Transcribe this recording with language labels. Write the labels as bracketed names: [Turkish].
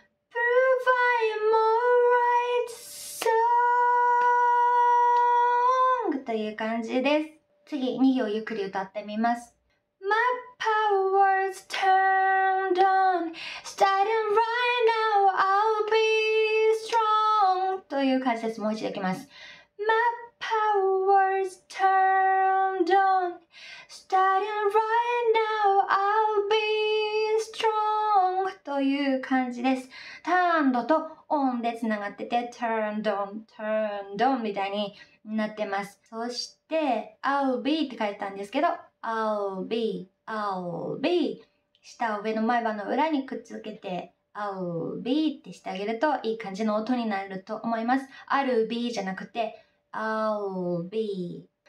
[English] prove I'm alright song [Japanese] という感じです。次、2行ゆっくり歌ってみます。 [English] My power's turned on starting right now I'll be [Japanese] という解説もう一度いきます。 [English] My power's turned on starting right now I'll be strong [Japanese] という感じです。 turned と on でつながってて turned on turned on みたいになってます。そして I'll be って書いてたんですけど I'll be I'll be 下上の前歯の裏にくっつけてI'll be ってしてあげるといい感じの音になると思います。 I'll be じゃなくて I'll be。